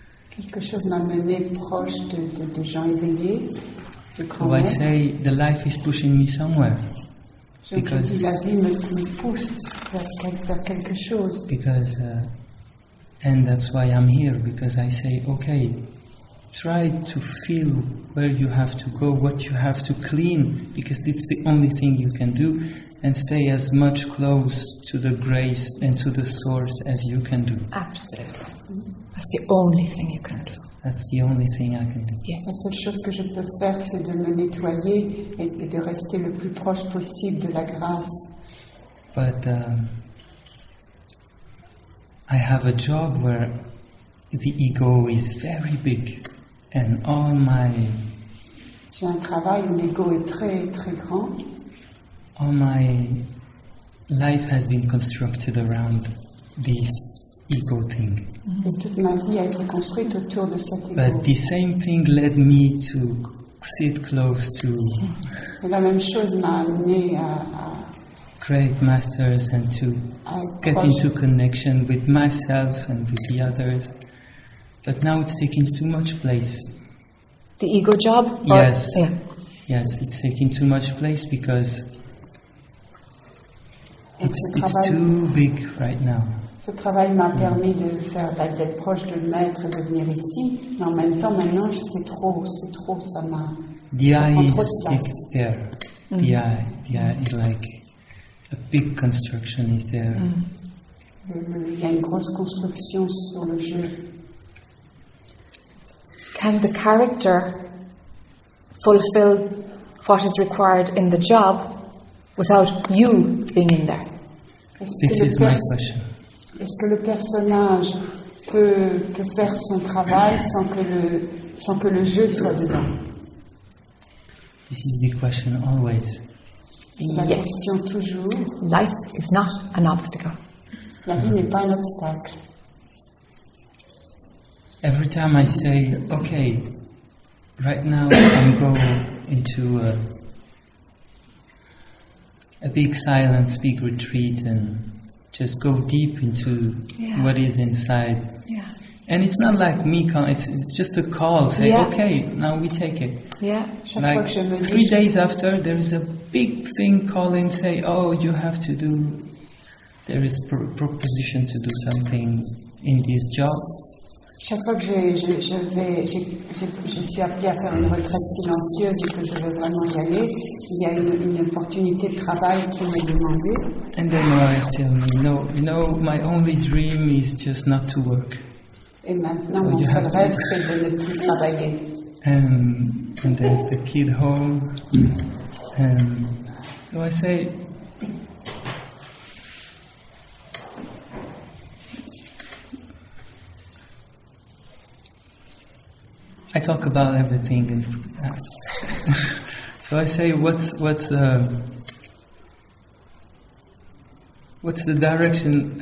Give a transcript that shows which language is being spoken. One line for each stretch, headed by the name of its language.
French: Quelque chose m'a mené proche de gens éveillés, de grands maîtres.
English: So I say the life is pushing me somewhere.
French: Je
English: because
French: dis, la vie me pousse vers quelque chose.
English: Because and that's why I'm here, because I say, okay. Try to feel where you have to go, what you have to clean, because it's the only thing you can do, and stay as much close to the grace and to the source as you can do. Absolutely. That's the only thing you can do. That's the only thing I can do. Yes.
French: La seule chose que je peux faire, c'est de me nettoyer et de rester le plus proche possible de la grâce.
English: But I have a job where the ego is very big. And all my
French: j'ai un travail où l'ego est très très grand.
English: All my life has been constructed around this ego thing.
French: Et toute ma vie a été construite autour de cet ego.
English: But the same thing led me to sit close to
French: et la même chose m'a amené à
English: great masters and to get into connection with myself and with the others. But now it's taking too much place. The ego job? Yes. Yes, it's taking too much place because it's too big right now.
French: Ce travail m'a permis de faire d'être proche de le maître et de venir ici, mais en même temps maintenant c'est trop, ça m'a.
English: The eye is there. The eye is like a big construction is there.
French: Il y a une grosse construction sur le jeu.
English: Can the character fulfill what is required in the job without you being in there? This is my question.
French: Est-ce que le personnage peut faire son travail sans que le jeu soit dedans?
English: This is the question always. Yes.
French: Question toujours.
English: Life is not an obstacle.
French: La vie n'est pas un obstacle.
English: Every time I say, okay, right now I'm going into a big silence, big retreat, and just go deep into what is inside. Yeah. And it's not like me calling, it's just a call, say, okay, now we take it. Yeah. Like 3 days after, there is a big thing calling, say, oh, you have to do, there is proposition to do something in this job.
French: Chaque fois que je suis appelée à faire une retraite silencieuse et que je veux vraiment y aller, il y a une opportunité de travail qui m'est demandée.
English: And then my wife tells me, no, you know, my only dream is just not to work.
French: Et maintenant, mon seul rêve, c'est de ne plus travailler.
English: And there's the kid home. So I say, I talk about everything, and so I say, what's the direction?